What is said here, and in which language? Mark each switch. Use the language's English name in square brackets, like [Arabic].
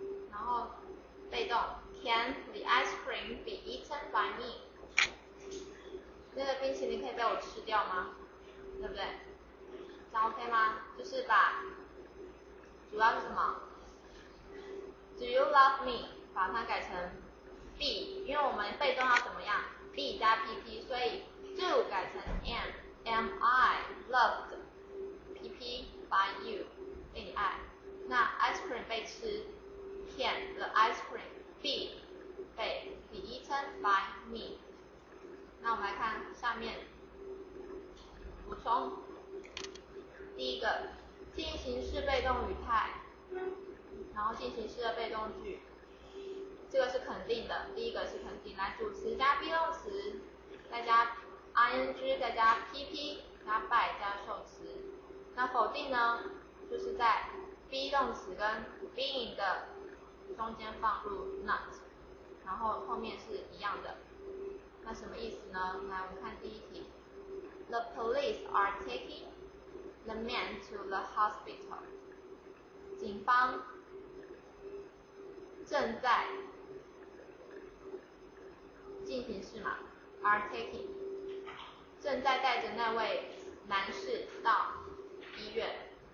[Chinese] 然后被动 [English] ，Can the ice cream be eaten by me？ [Chinese] 那个冰淇淋可以被我吃掉吗？对不对？这样 OK 吗？就是把主要是什么 ？ [English] Do you love me？ [Chinese] 把它改成 be， 因为我们被动要怎么样 ？be 加 PP， 所以。 [English] Do [Chinese] 改成 [English] am， am I loved PP by you， [Chinese] 被你爱。 [English] 那 ice cream [Chinese] 被吃， [English] can the ice cream be 被 be eaten by me。 [Chinese] 那我们来看下面补充。第一个，进行式被动语态，然后进行式的被动句，这个是肯定的，第一个是肯定。来，主词加 be 动词，再加ing 再加 pp 加 by 加受词。那否定呢，就是在 be 动词跟 being 的中间放入 not， 然后后面是一样的。那什么意思呢？来，我们看第一题。 [English] The police are taking the man to the hospital， [Chinese] 警方正在进行式嘛， are taking正在带着那位男士到医院。